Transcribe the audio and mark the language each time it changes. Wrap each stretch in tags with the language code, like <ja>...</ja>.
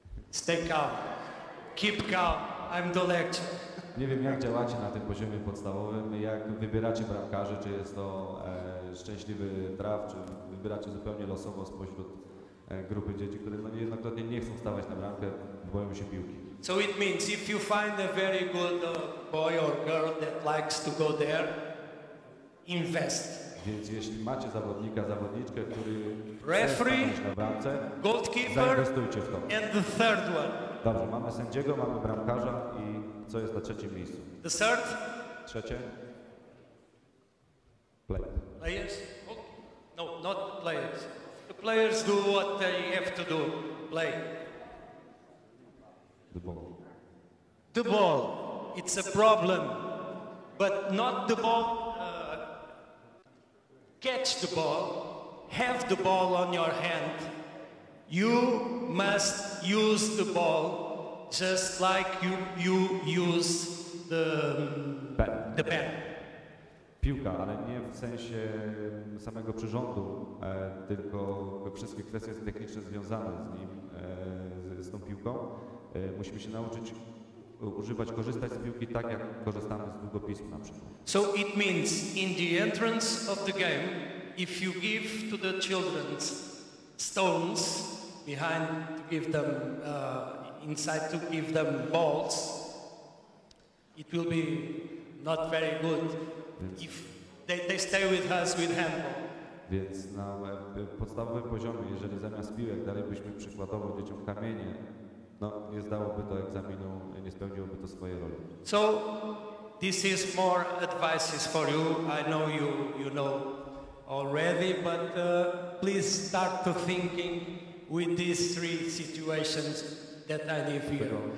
<en>Stay calm. Keep calm. I'm the lecturer.</en> <pl>Nie wiem, jak działacie na tym poziomie podstawowym, jak wybieracie bramkarzy, czy jest to szczęśliwy traf, czy wybieracie zupełnie losowo spośród grupy dzieci, które no, niejednokrotnie nie chcą wstawać na bramkę, boją się piłki.</pl> <en>So it means if you find a very good boy or girl that likes to go there, invest.</en> <pl>Więc jeśli macie zawodnika, zawodniczkę, który</pl> <en>referee,</en> <pl>chce stanąć na bramce,</pl> <en>goalkeeper,</en> <pl>zainwestujcie w to.</pl> <en>And the third one.</en> <pl>Dobrze, mamy sędziego, mamy bramkarza i co jest na trzecim miejscu?</pl> <en>The third.</en> <pl>Trzecie.</pl> <en>Players? Okay. No, not players. The players do what they have to do. Play. the ball. It's a problem. But not the ball, catch the ball, have the ball on your hand. You must use the ball just like you use the pen. The pen.</en> <pl>Piłka, ale nie w sensie samego przyrządu, tylko wszystkie kwestie techniczne związane z nim, z tą piłką. Musimy się nauczyć używać, korzystać z piłki tak, jak korzystamy z długopisu na przykład.</pl> <en>So it means in the entrance of the game, if you give to the children stones behind to give them, inside to give them balls, it will be not very good. If they stay with us with handball.</en> <pl>Więc na podstawowym poziomie, jeżeli zamiast piłek dalibyśmy przykładowo dzieciom kamienie, no nie zdałoby to egzaminu, nie spełniłoby to swojej roli.</pl> <en>So this is more advices for you. I know you know already, but please start to thinking with these three situations that I leave here.</en>